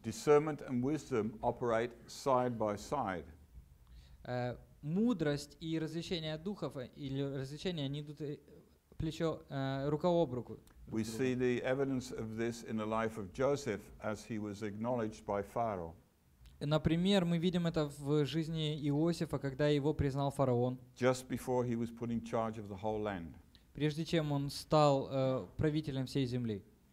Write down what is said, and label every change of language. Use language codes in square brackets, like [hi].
[en] Discernment and wisdom operate side by side. [ru] Мудрость и развлечение духов или развлечение, они идут плечо рука об руку. [en] We see the evidence of this in the life of Joseph as he was acknowledged by Pharaoh. [ru] Например, мы видим это в жизни Иосифа, когда его признал фараон. [en] Just before he was put in charge of the whole land. [ru] Прежде чем он стал правителем всей земли.